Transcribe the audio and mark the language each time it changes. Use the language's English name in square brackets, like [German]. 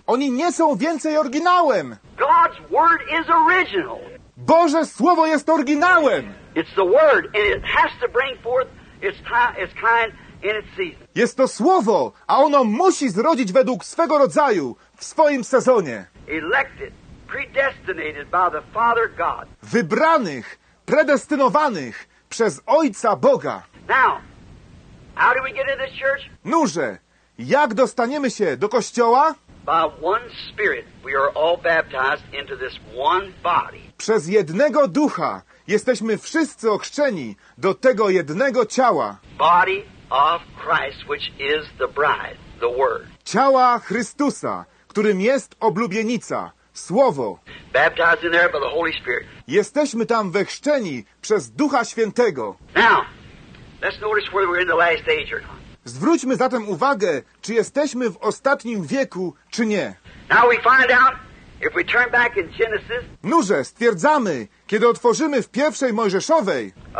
[Polish] Oni nie są więcej oryginałem. [English] God's word is original. [Polish] Boże Słowo jest oryginałem. [English] It's the word, and it has to bring forth its time, its kind in its season. [Polish] Jest to Słowo, a ono musi zrodzić według swego rodzaju w swoim sezonie. [English] Elected, predestinated by the Father God. [Polish] Wybranych, predestynowanych przez Ojca Boga. [English] Now, how do we get into this church? [Polish] Nurze, jak dostaniemy się do Kościoła? [English] By one spirit we are all baptized into this one body. [Polish] Przez jednego ducha jesteśmy wszyscy ochrzczeni do tego jednego ciała. [English] Body of Christ, which is the bride, the word. [Polish] Ciała Chrystusa, którym jest oblubienica, Słowo. [English] Baptized in there by the Holy Spirit. [Polish] Jesteśmy tam wechrzczeni przez Ducha Świętego. [English] Now, let's notice whether we're in the last age or not. [Polish] Zwróćmy zatem uwagę, czy jesteśmy w ostatnim wieku, czy nie. [English] Now we find out, if we turn back in Genesis, [Polish] nurze, stwierdzamy, kiedy otworzymy w pierwszej Mojżeszowej,